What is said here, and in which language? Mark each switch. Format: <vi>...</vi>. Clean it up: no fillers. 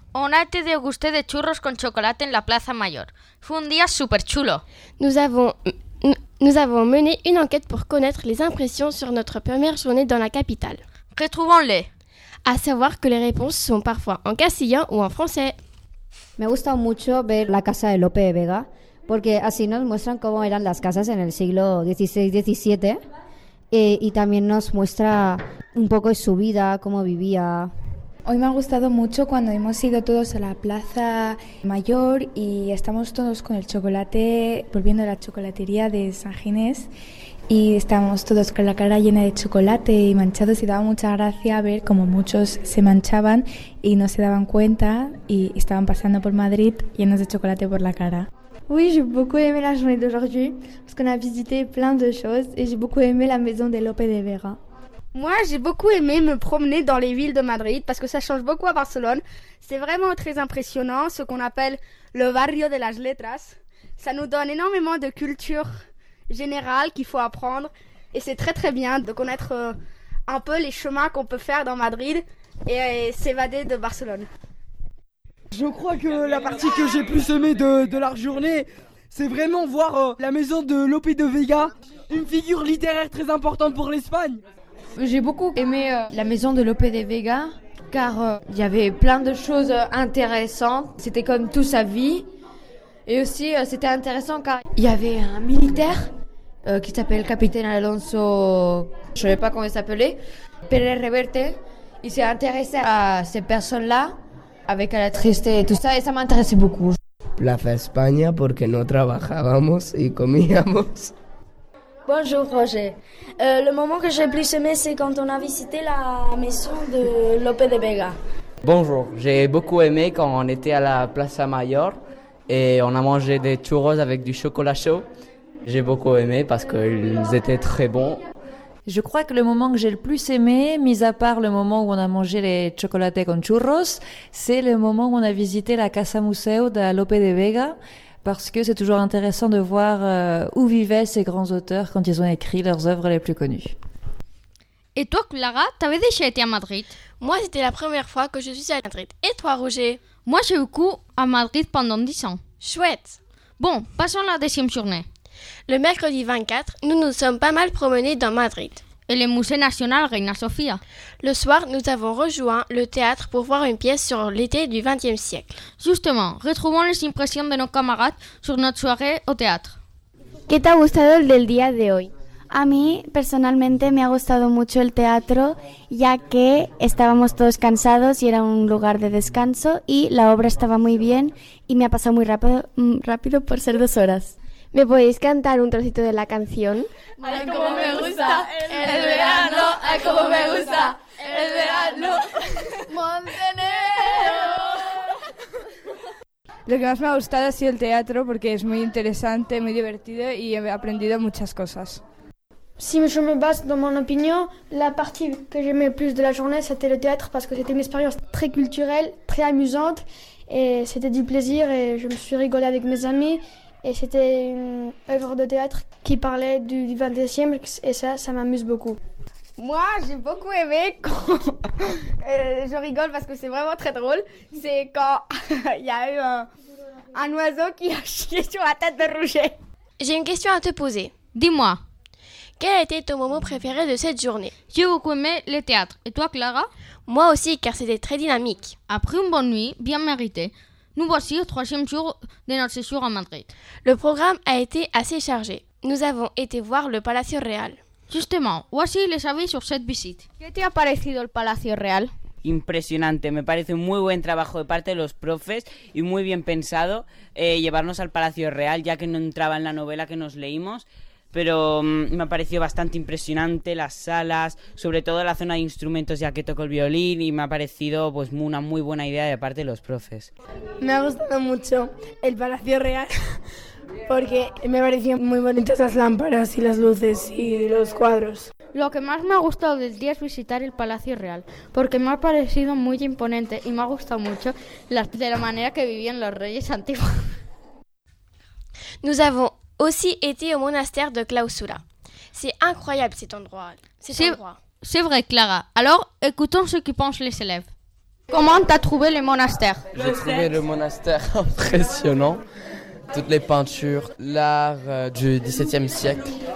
<fr>On a été dégusté de</fr> <es>churros con chocolate en la Plaza Mayor. Fue un día super chulo.</es> <fr>Nous avons mené une enquête pour connaître les impressions sur notre première journée dans la capitale. Retrouvons-les. À savoir que les réponses sont parfois en castillan ou en français.</fr> <es>Me gusta mucho ver la Casa de Lope de Vega, porque así nos muestran cómo eran las casas en el siglo XVI-XVII, y también nos muestra un poco de su vida, cómo vivía. Hoy me ha gustado mucho cuando hemos ido todos a la Plaza Mayor y estamos todos con el chocolate, volviendo a la chocolatería de San Ginés, y estamos todos con la cara llena de chocolate y manchados, y daba mucha gracia ver cómo muchos se manchaban y no se daban cuenta y estaban pasando por Madrid llenos de chocolate por la cara.</es> <fr>Oui, j'ai beaucoup aimé la journée d'aujourd'hui parce qu'on a visité plein de choses et j'ai beaucoup aimé la maison de Lope de Vega. Moi, j'ai beaucoup aimé me promener dans les villes de Madrid parce que ça change beaucoup à Barcelone. C'est vraiment très impressionnant ce qu'on appelle le Barrio de las Letras. Ça nous donne énormément de culture générale qu'il faut apprendre et c'est très très bien de connaître un peu les chemins qu'on peut faire dans Madrid et s'évader de Barcelone. Je crois que la partie que j'ai plus aimée de la journée, c'est vraiment voir la maison de Lope de Vega, une figure littéraire très importante pour l'Espagne. J'ai beaucoup aimé la maison de Lope de Vega, car il y avait plein de choses intéressantes. C'était comme toute sa vie. Et aussi, c'était intéressant car il y avait un militaire qui s'appelle Capitaine Alonso, je ne sais pas comment il s'appelait, Pérez Reverte. Il s'est intéressé à ces personnes-là, avec la tristesse et tout ça, et ça m'intéressait beaucoup.</fr> <es>Plaza España, porque no trabajábamos y comíamos.</es> <fr>Bonjour Roger. Le moment que j'ai plus aimé, c'est quand on a visité la maison de Lope de Vega. Bonjour, j'ai beaucoup aimé quand on était à la Plaza Mayor et on a mangé des churros avec du chocolat chaud. J'ai beaucoup aimé parce qu'ils étaient très bons. Je crois que le moment que j'ai le plus aimé, mis à part le moment où on a mangé les chocolates con churros, c'est le moment où on a visité la Casa Museo de Lope de Vega. Parce que c'est toujours intéressant de voir où vivaient ces grands auteurs quand ils ont écrit leurs œuvres les plus connues. Et toi, Clara, t'avais déjà été à Madrid? Moi, c'était la première fois que je suis à Madrid. Et toi, Roger? Moi, j'ai vécu à Madrid pendant 10 ans. Chouette! Bon, passons à la deuxième journée. Le mercredi 24, nous nous sommes pas mal promenés dans Madrid. Et le Musée National Reina Sofía. Le soir, nous avons rejoint le théâtre pour voir une pièce sur l'été du XXe siècle. Justement, retrouvons les impressions de nos camarades sur notre soirée au théâtre.</fr> <es>¿Qué te ha gustado del día de hoy? A mí, personalmente, me ha gustado mucho el teatro, ya que estábamos todos cansados y era un lugar de descanso y la obra estaba muy bien y me ha pasado muy rápido por ser dos horas. ¿Me podéis cantar un trocito de la canción? ¡Ay, cómo me gusta el verano! ¡Ay, cómo me gusta el verano! ¡Montenegro! Lo que más me ha gustado ha sido el teatro, porque es muy interesante, muy divertido y he aprendido muchas cosas. Si yo me baso en mi opinión, la parte que</es> <fr>j'ai aimé plus de la journée, c'était le théâtre, parce que c'était une expérience très culturelle, très amusante, et c'était du plaisir, et je me suis rigolé avec mes amis. Et c'était une œuvre de théâtre qui parlait du XXe siècle et ça m'amuse beaucoup. Moi, j'ai beaucoup aimé quand... je rigole parce que c'est vraiment très drôle. C'est quand il y a eu un oiseau qui a chié sur la tête de Roger. J'ai une question à te poser. Dis-moi. Quel a été ton moment préféré de cette journée? J'ai beaucoup aimé le théâtre. Et toi, Clara? Moi aussi, car c'était très dynamique. Après une bonne nuit, bien méritée, Nous voici au troisième jour de notre séjour à Madrid. Le programme a été assez chargé. Nous avons été voir le Palacio Real. Justement, voici les avis sur cette visite.</fr> <es>¿Qué te ha parecido el Palacio Real? Impresionante, me parece un muy buen trabajo de parte de los profes y muy bien pensado llevarnos al Palacio Real, ya que no entraba en la novela que nos leímos, pero me ha parecido bastante impresionante las salas, sobre todo la zona de instrumentos, ya que toco el violín, y me ha parecido pues una muy buena idea de parte de los profes. Me ha gustado mucho el Palacio Real porque me parecían muy bonitas las lámparas y las luces y los cuadros. Lo que más me ha gustado del día es visitar el Palacio Real, porque me ha parecido muy imponente y me ha gustado mucho de la manera que vivían los reyes antiguos.</es> <fr>Nous avons aussi été au monastère de Clausura. C'est incroyable cet endroit. C'est vrai, Clara. Alors, écoutons ce qu'y pensent les élèves. Comment t'as trouvé le monastère? J'ai trouvé le monastère impressionnant. Toutes les peintures, l'art du XVIIe siècle.</fr>